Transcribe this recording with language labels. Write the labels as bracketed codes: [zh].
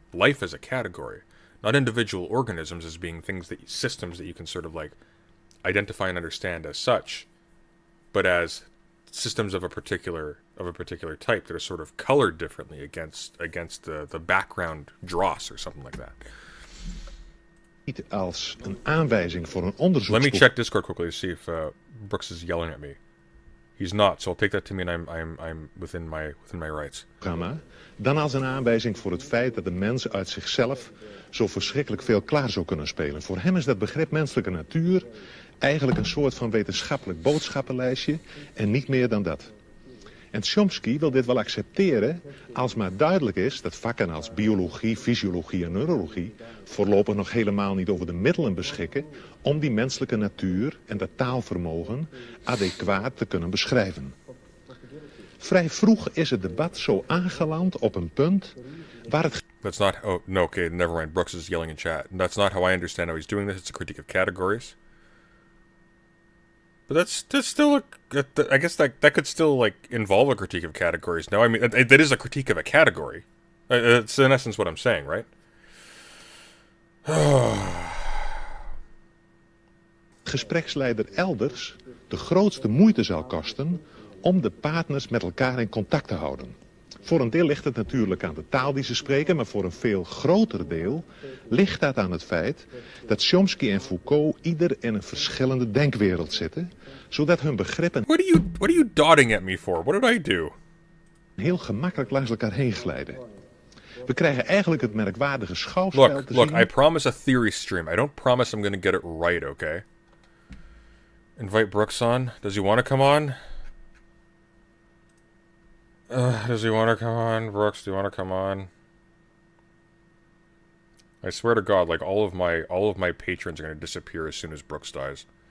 [en] Life as a category, not individual organisms as being systems that you can sort of like identify and understand as such, but as systems of a particular type that are sort of colored differently against the background dross or something like that. [nl] Niet als een aanwijzing voor een onderzoek. [en] Let me check Discord quickly to see if Brooks is yelling at me. He's not, so I'll take that to mean I'm within my rights. [nl] Dan als een aanwijzing voor het feit dat de mens uit zichzelf zo verschrikkelijk veel klaar zou kunnen spelen. Voor hem is dat begrip menselijke natuur eigenlijk een soort van wetenschappelijk boodschappenlijstje en niet meer dan dat. En Chomsky wil dit wel accepteren als maar duidelijk is dat vakken als biologie, fysiologie en neurologie voorlopig nog helemaal niet over de middelen beschikken om die menselijke natuur en dat taalvermogen adequaat te kunnen beschrijven. Vrij vroeg is het debat zo aangeland op een punt waar het... [en] That's not... Oh, no, okay, never mind. Brooks is yelling in chat. That's not how I understand how he's doing this. It's a critique of categories. But that's still a, I guess that could still like involve a critique of categories. No, I mean that is a critique of a category. It's in essence what I'm saying, right? [nl] Gespreksleider elders de grootste moeite zal kosten om de partners met elkaar in contact te houden. Voor een deel ligt het natuurlijk aan de taal die ze spreken, maar voor een veel groter deel ligt dat aan het feit dat Chomsky en Foucault ieder in een verschillende denkwereld zitten, zodat hun begrippen... [en] What are you dotting at me for? What did I do? [nl] ...heel gemakkelijk langs elkaar heen glijden. We krijgen eigenlijk het merkwaardige schouwspel [en] look, [nl] te zien... [en] Look, I promise a theory stream. I don't promise I'm gonna get it right, okay? Invite Brooks on. Does he want to come on? Does he want to come on? Brooks, do you want to come on? I swear to God, like, all of my patrons are going to disappear as soon as Brooks dies.